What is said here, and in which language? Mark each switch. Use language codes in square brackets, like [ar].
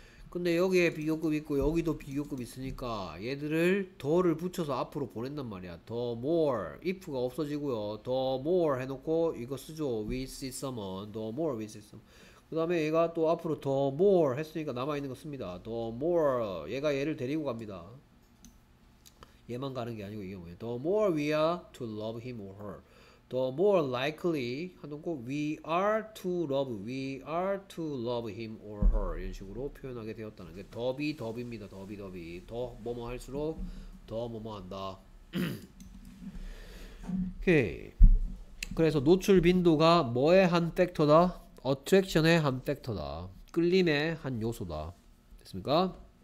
[ko] 근데 여기에 비교급 있고 여기도 비교급 있으니까 얘들을 더를 붙여서 앞으로 보낸단 말이야. The more, if가 없어지고요. The more 해놓고 이거 쓰죠. [en] We see someone. The more we see someone. [ko] 그 다음에 얘가 또 앞으로 더 more 했으니까 남아있는 거 씁니다. The more 얘가 얘를 데리고 갑니다. 얘만 가는 게 아니고 이게 뭐예요? [en] The more we are to love him or her. The more likely 해놓고 we are to love. We are to love him or her. [ko] 이런 식으로 표현하게 되었다는 게 더비 더비입니다. 더비 더비. 더 뭐뭐 할수록 더 뭐뭐 한다. 오케이. 그래서 노출 빈도가 뭐의 한 팩터다? 어트랙션의 한 팩터다. 끌림의 한 요소다. 됐습니까?